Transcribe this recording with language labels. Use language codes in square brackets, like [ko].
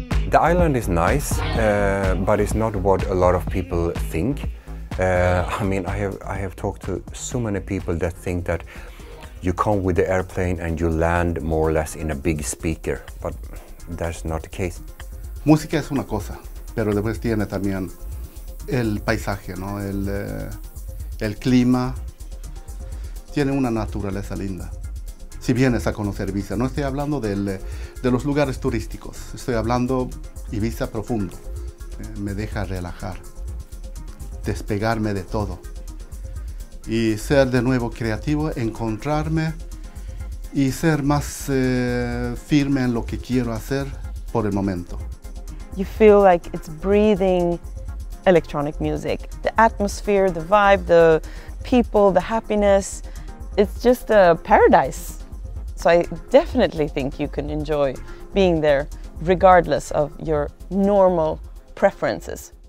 [en] The island is nice, but it's not what a lot of people think. I mean, I have talked to so many people that think that you come with the airplane and you land more or less in a big speaker, but that's not the case. [es] Música es una cosa, pero después tiene también el paisaje, ¿no? El clima tiene una naturaleza linda. Si vienes a conocer Ibiza, no estoy hablando de los lugares turísticos, estoy hablando Ibiza profundo. Me deja relajar, despegarme de todo y ser de nuevo creativo, encontrarme y ser más firme en lo que quiero hacer por el momento. [en] You feel like it's breathing electronic music. The atmosphere, the vibe, the people, the happiness. It's just a paradise. So I definitely think you can enjoy being there regardless of your normal preferences.